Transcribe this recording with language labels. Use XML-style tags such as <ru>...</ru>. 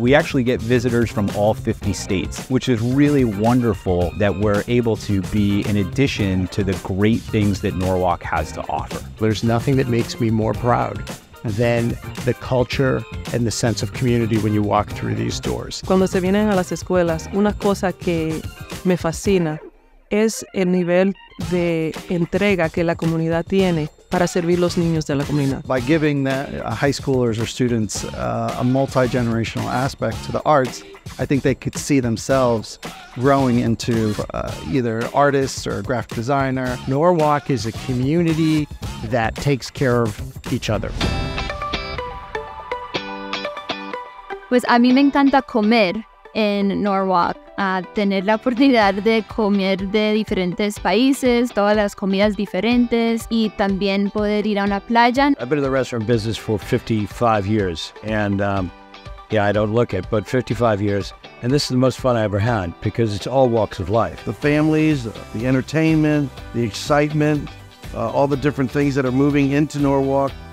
<en>We actually get visitors from all 50 states, which is really wonderful that we're able to be an addition to the great things that Norwalk has to offer. There's nothing that makes me more proud than the culture and the sense of community when you walk through these doors.</en> <es>Cuando se vienen a las escuelas, una cosa que me fascina es el nivel de entrega que la comunidad tiene para servir los niños de la comunidad.</es> <en>By giving the high schoolers or students a multi-generational aspect to the arts, I think they could see themselves growing into either artists or a graphic designer. Norwalk is a community that takes care of each other.</en> <es>Pues a mí me encanta comer en Norwalk, tener la oportunidad de comer de diferentes países, todas las comidas diferentes, y también poder ir a una playa.</es> <en>I've been in the restaurant business for 55 years, and yeah, I don't look it, but 55 years, and this is the most fun I ever had because it's all walks of life. The families, the entertainment, the excitement, all the different things that are moving into Norwalk.</en>